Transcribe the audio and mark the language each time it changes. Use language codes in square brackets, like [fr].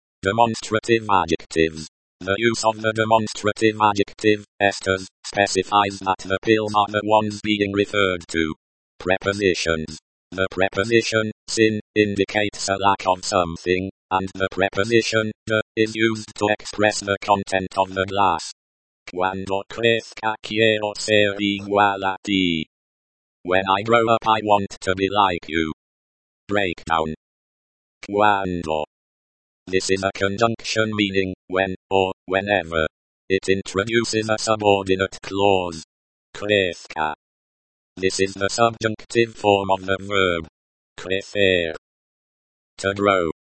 [en] Demonstrative adjectives. The use of the demonstrative adjective, estas, specifies that the pills are the ones being referred to. Prepositions. The preposition, sin, indicates a lack of something, and the preposition, de, is used to express the content of the glass. [es] Cuando crezca quiero ser igual a ti. [en] When I grow up I want to be like you. Breakdown. Cuando. This is a conjunction meaning, when, or, whenever. It introduces a subordinate clause. Crezca. This is the subjunctive form of the verb. Crecer. To grow.